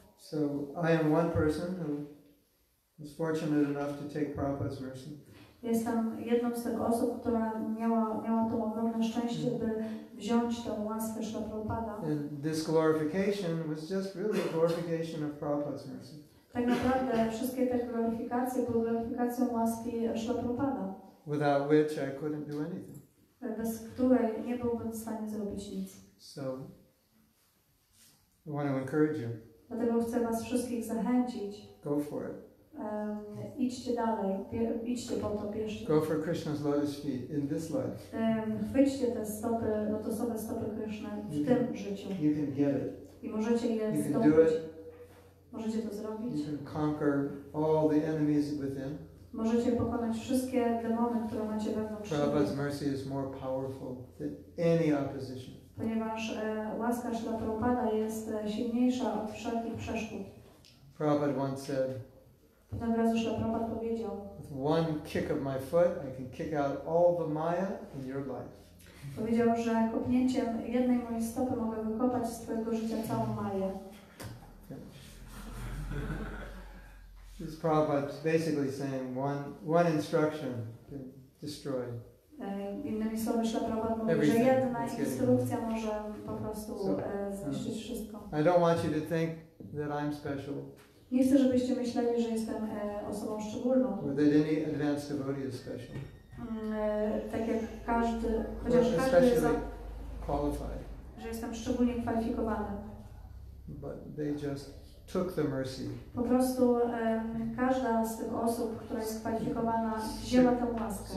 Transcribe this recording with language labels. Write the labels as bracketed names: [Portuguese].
[English] So I am one person who was fortunate enough to take Prabhupada's mercy. [Polish] Jestem jedną z tych osób, która miała to ogromne szczęście, by wziąć tę łaskę Śrila Prabhupada. [English] And this glorification was just really a glorification of Prabhupada's mercy. [Polish] Tak naprawdę wszystkie te gloryfikacje były gloryfikacją łaski Śrila Prabhupada. [English] Without which I couldn't do anything. [Polish] Bez której nie byłbym w stanie zrobić nic. [English] So, I want to encourage you. [Polish] Dlatego chcę was wszystkich zachęcić. [English] Go for it. [Polish] Idźcie dalej, idźcie po to, bierzcie. [English] Go for Krishna's lotus feet in this life. [Polish] Chwyćcie te stopy, lotosowe stopy Krishna w [English] you [Polish] tym [English] can, [Polish] życiu. [English] You can get it. [Polish] I możecie je [English] you [Polish] zdobyć. [English] Can do it. [Polish] Możecie to zrobić. [English] You can conquer all the enemies within. [Polish] Możecie pokonać wszystkie demony, które macie wewnątrz. [English] Prabhupada's mercy is more powerful than any opposition. [Polish] Ponieważ łaska Śrila Prabhupada jest silniejsza od wszelkich przeszkód. [English] Prabhupada once said. [Polish] Potem raz Śrila Prabhupada powiedział. [English] With one kick of my foot, I can kick out all the Maya in your life. [Polish] Powiedział, że kopnięciem jednej mojej stopy mogę wykopać z twojego życia całą Maję. [English] This is Prabhupada basically saying one instruction can destroy. [Polish] Innymi słowy, Śrila Prabhupada mówi, że jedna instrukcja może po prostu zniszczyć wszystko. [English] I don't want you to think that I'm special. [Polish] Nie chcę, żebyście myśleli, że jestem osobą szczególną. [English] Or that any advanced devotee is special. [Polish] Tak jak każdy, chociaż każdy [English] especially qualified. [Polish] Że jestem szczególnie kwalifikowany. [English] But they just took the mercy. [Polish] Po prostu każda z tych osób, która jest kwalifikowana, wzięła tę łaskę.